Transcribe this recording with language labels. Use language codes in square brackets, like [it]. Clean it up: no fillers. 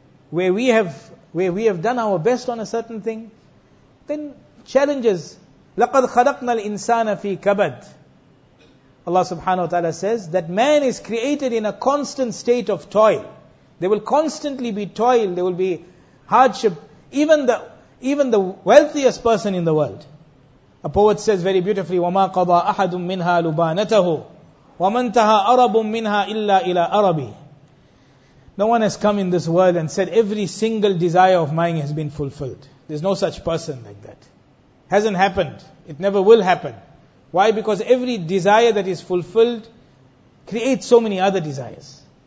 [en] Where we have done our best on a certain thing, then challenges. [ar] لَقَدْ خَلَقْنَا الْإِنسَانَ فِي كَبَدْ. [en] Allah subhanahu wa ta'ala says that man is created in a constant state of toil. There will constantly be toil, there will be hardship. Even the wealthiest person in the world. A poet says very beautifully, [ar] وَمَا قَضَىٰ أَحَدٌ مِّنْهَا لُبَانَتَهُ وَمَنْتَهَا أَرَبٌ مِّنْهَا إِلَّا إِلَىٰ أَرَبِي. [en] No one has come in this world and said, every single desire of mine has been fulfilled. There's no such person like that. Hasn't happened. It never will happen. Why? Because every desire that is fulfilled creates so many other desires.